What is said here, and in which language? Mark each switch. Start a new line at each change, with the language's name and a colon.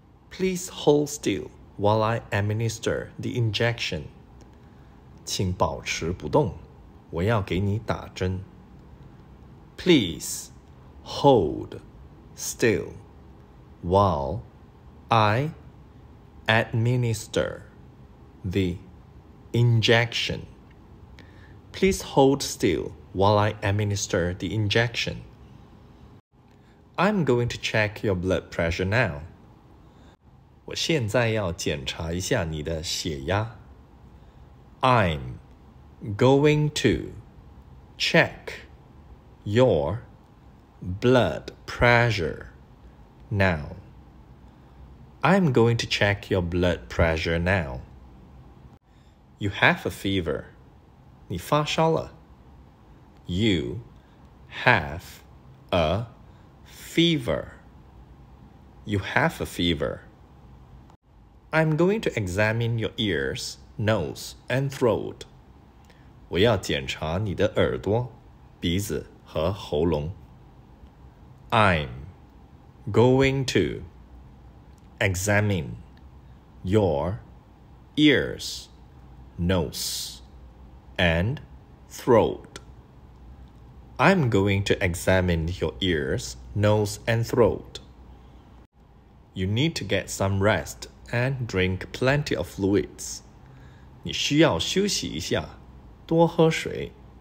English: Please hold still while I administer the injection.
Chinese: 请保持不动，我要给你打针。
English: Please hold still while I administer the injection. Please hold still while I administer the injection. I'm going to check your blood pressure now.
Chinese: 我现在要检查一下你的血压。
English: I'm going to check your blood pressure now. I'm going to check your blood pressure now. You have a fever.
Chinese: 你发烧了。
English: You have a fever. You have a fever. I'm going to examine your ears, nose, and throat.
Chinese: 我要检查你的耳朵、鼻子和喉咙。
English: I'm going to... Examine your ears, nose, and throat. I'm going to examine your ears, nose, and throat. You need to get some rest and drink plenty of fluids.
Chinese: 你需要休息一下，多喝水。